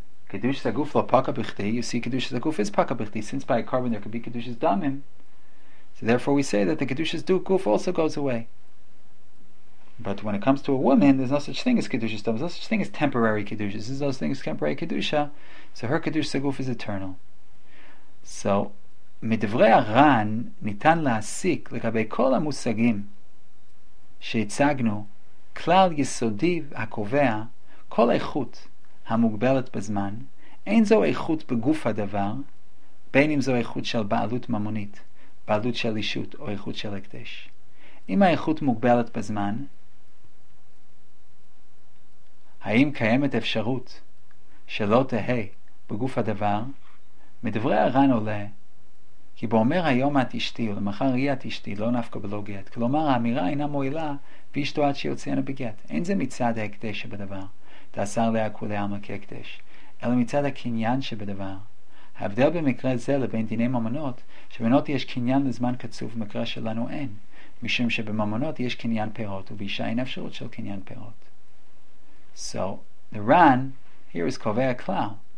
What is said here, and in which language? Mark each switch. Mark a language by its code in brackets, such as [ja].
[he] Kedush Saguf lo paka b'chdi. [en] You see, Kedush Saguf is paka b'chdi. Since by a carbon there could be Kedushas Damim. So therefore we say that the Kedushas Duguf also goes away. But when it comes to a woman, there's no such thing as Kedushas Damim. There's no such thing as temporary Kedushas. There's no such thing as temporary Kedusha. So her Kedush Saguf is eternal. [he] So, מדברי הר"ן ניתן להסיק לגבי כל המושגים שהצגנו כלל יסודי הקובע כל איכות המוגבלת בזמן, אין זו איכות בגוף הדבר, בין אם זו איכות של בעלות ממונית, בעלות של אישות או איכות של הקדש. אם האיכות מוגבלת בזמן, האם קיימת אפשרות שלא תהא בגוף הדבר? מדברי הר"ן עולה, כי באומר היום את אשתי ולמחר היא את אשתי, לא נפקא בלא גט. כלומר, האמירה אינה מועילה ואשתו עד שיוציאנה בגט. אין זה מצד ההקדש שבדבר. תאסר לה כולי עלמא כהקדש, אלא מצד הקניין שבדבר. ההבדל במקרה זה לבין דיני ממונות, שבמנות יש קניין לזמן קצוב, במקרה שלנו אין, משום שבממונות יש קניין פירות, ובאישה אין אפשרות של קניין פירות. [en] So, the Ran, here is [he] קובע הכלל.